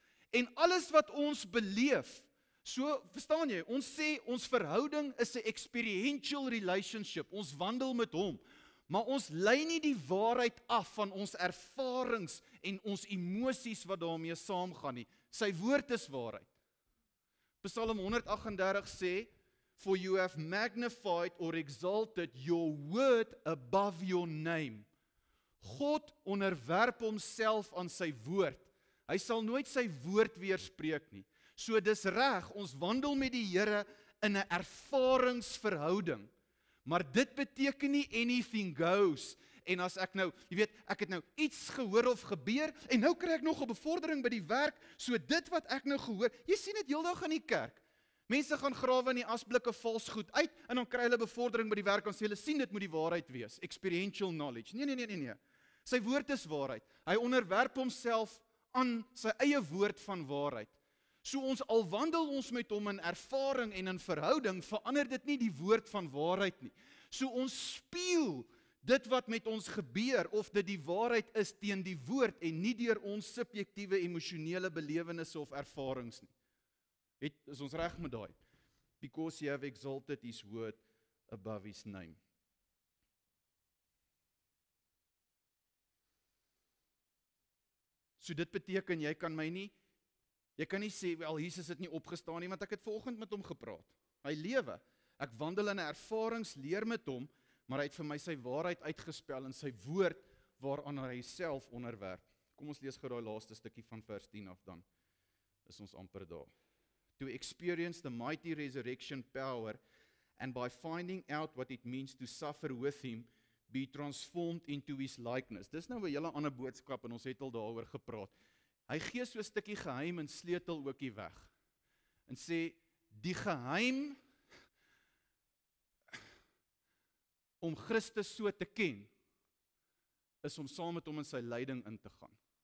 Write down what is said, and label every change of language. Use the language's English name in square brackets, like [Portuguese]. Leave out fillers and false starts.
[Afrikaans] En alles wat ons beleef, so verstaan jy, ons sê ons verhouding is 'n [English] experiential relationship, [Afrikaans] ons wandel met hom, maar ons lei nie die waarheid af van ons ervarings en ons emosies wat daarmee saamgaan nie. Sy woord is waarheid. [English] Psalm 138 sê, "For you have magnified or exalted your word above your name." [Afrikaans] God onderwerp homself aan sy woord. Hy sal nooit sy woord weerspreek nie. So dis reg, ons wandel met die Here in 'n ervaringsverhouding. Maar dit beteken nie [English] anything goes. [Afrikaans] En as ek nou, jy weet, ek het nou iets gehoor of gebeur, en nou kry ek nog 'n bevordering by die werk, so dit wat ek nou gehoor, jy sien dit heeldag in die kerk. Mense gaan grawe in die asblikke vals goed uit, en dan kry hulle bevordering by die werk, en sê hulle sien, dit moet die waarheid wees, [English] experiential knowledge. [Afrikaans] Nee. Sy woord is waarheid. Hy onderwerp homself aan sy eie woord van waarheid. So ons al wandel ons met hom in ervaring en in verhouding, verander dit nie die woord van waarheid nie. So ons speel dit wat met ons gebeur, of dit die waarheid is teen die woord, en nie deur ons subjektiewe emosionele belewenisse of ervarings nie. Het, is ons reg met daai? [English] Because he have exalted his word above his name. [Afrikaans] So dit beteken, jy kan my nie, jy kan nie sê, wel, Jesus het nie opgestaan nie, want ek het volgend met hom gepraat. Hy lewe, ek wandel in ervaringsleer met hom, maar hy het vir my sy waarheid uitgespel in sy woord, waaraan hy self onderwerp. Kom ons lees gou die laaste stukkie van vers 10 af dan, is ons amper daar. [English] To experience the mighty resurrection power, and by finding out what it means to suffer with him, be transformed into his likeness. [Afrikaans] Dis nou 'n hele ander boodskap, en ons het al daaroor gepraat. Hy gee so 'n stukkie geheim en sleutel ook die weg, en sê, die geheim, om Christus so te ken, is om saam met hom in sy lyding in te gaan.